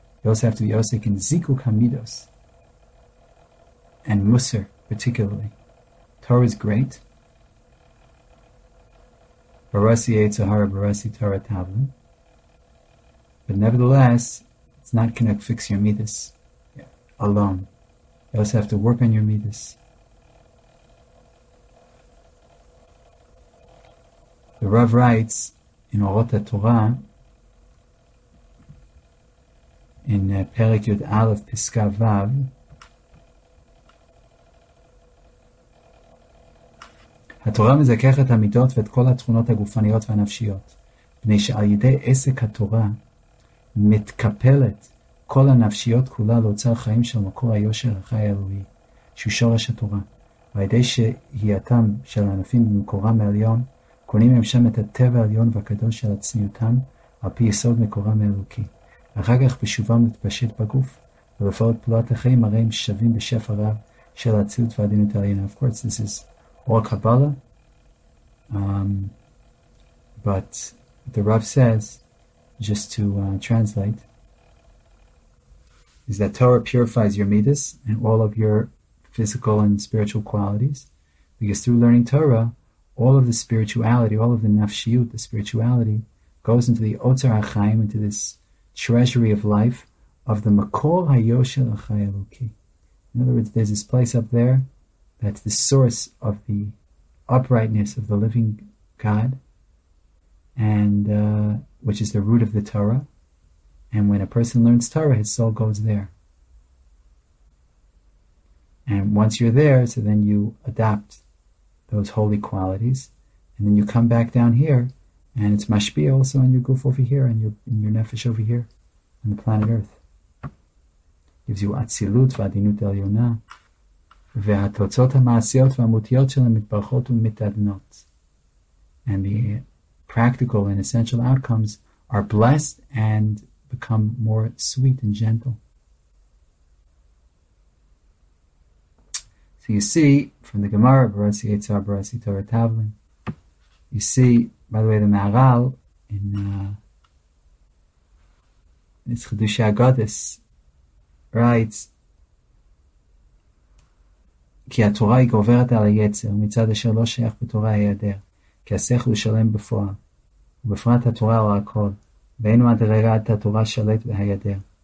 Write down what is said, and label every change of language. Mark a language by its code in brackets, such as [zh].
[en] You also have to be Osek in Zikuk HaMidos and Musar particularly. Torah is great. Barasi Eitzahara Barasi Torah Tavlin. But nevertheless, it's not going to fix your Midas alone. You also have to work on your Midas. The Rav writes in Orot HaTorah, in Perek Yud Aleph Piska Vav, [he] HaTorah מזכך את המידות ואת כל התכונות הגופניות והנפשיות, בני שעל ידי עסק התורה מתקפלת כל הנפשיות כולה לאוצר חיים של מקור היושר החי האלוהי, שהוא שורש התורה, וידי שהייתם של הענפים במקורם העליון, קונים הם שם את הטבע העליון והקדוש של עצמיותם על פי יסוד מקורם האלוקי. אחר כך בשובם מתפשט בגוף, ולפעול פעולת החיים הרי הם שווים בשפע רב של הצילות והדינות העליון. [en] Of course, this is all Kabbalah. But the Rav says, just to translate, is that Torah purifies your Midas and all of your physical and spiritual qualities, because through learning Torah, all of the spirituality, all of the nafshiyut, the spirituality, goes into the Otzar HaChaim, into this treasury of life of the Makor HaYoshel HaChai Eloki. In other words, there's this place up there that's the source of the uprightness of the living God, and which is the root of the Torah. And when a person learns Torah, his soul goes there. And once you're there, so then you adapt those holy qualities, and then you come back down here, and it's mashpi also on your goof over here, and your nefesh over here, on the planet Earth. Gives you atzilut v'adinut elyona, [he] והתוצאות המעשיות והמותיות שלהם מתברכות ומתעדנות. [en] And the practical and essential outcomes are blessed and become more sweet and gentle. So you see, from the Gemara, Barasi Yitzhar, Barasi Torah Tavlin, you see, by the way, the Maharal in this Chedusha Goddess writes, [he] כי התורה היא גוברת על היצר, מצד אשר לא שייך בתורה היעדר, כי השכל הוא שלם בפועל, ובפרט התורה הוא הכל, ואין מדרגה את התורה שלט והיעדר.